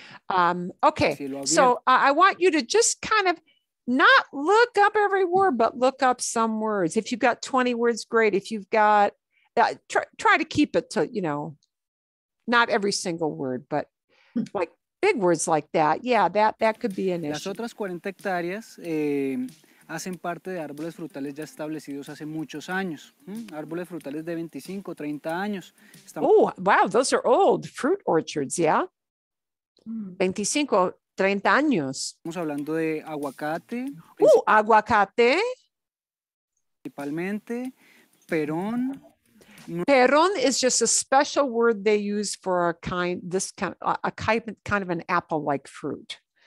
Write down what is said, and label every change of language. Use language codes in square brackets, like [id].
[en] Okay, so I want you to just kind of not look up every word, but look up some words. If you've got 20 words, great. If you've got, try to keep it to, you know, not every single word, but like big words like that. Yeah, that could be an issue. [es] Las otras 40 hectáreas hacen parte de árboles frutales ya establecidos hace muchos años. Árboles frutales de 25, 30 años. [en] Oh, wow, those are old fruit orchards, yeah? [es] 25, 30 años. Estamos hablando de aguacate. Aguacate. Principalmente, perón. [en] Perón is just a special word they use for a kind of an apple-like fruit.